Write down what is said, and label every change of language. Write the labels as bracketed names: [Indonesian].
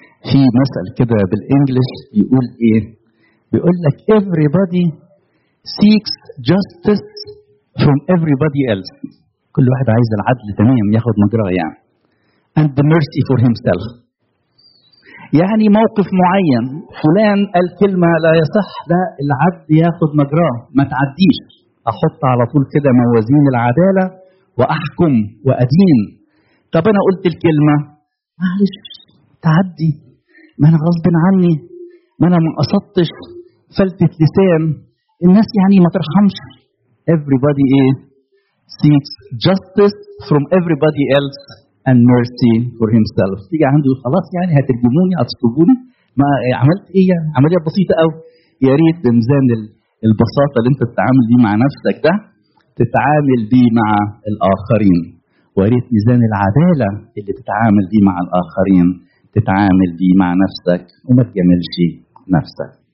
[Arabic] في مثل كده بالإنجليش يقول إيه، بيقول لك [English] everybody seeks justice from everybody else، [Arabic] كل واحد عايز العدل تمام ياخد مجراه يعني، [English] and the mercy for himself، [Arabic] يعني موقف معين فلان قال كلمة لا يصح، لا العدل ياخد مجراه ما تعديش، أحط على طول كده موازين العدالة وأحكم وأدين. طب أنا قلت الكلمة معلش تعدي، ما أنا غصب عني، ما أنا ما قصدتش، فلتت لسان، الناس يعني ما ترحمش. [English] Everybody seeks justice from everybody else and mercy for himself. [Arabic] تيجي عنده خلاص يعني هترجموني هتصطبوني، ما عملت ايه يعني، عملية بسيطة او يا ريت بميزان البساطة اللي انت تتعامل دي مع نفسك ده تتعامل دي مع الآخرين، وريت ميزان العدالة اللي تتعامل دي مع الآخرين تتعامل دي مع نفسك وما تجملش نفسك.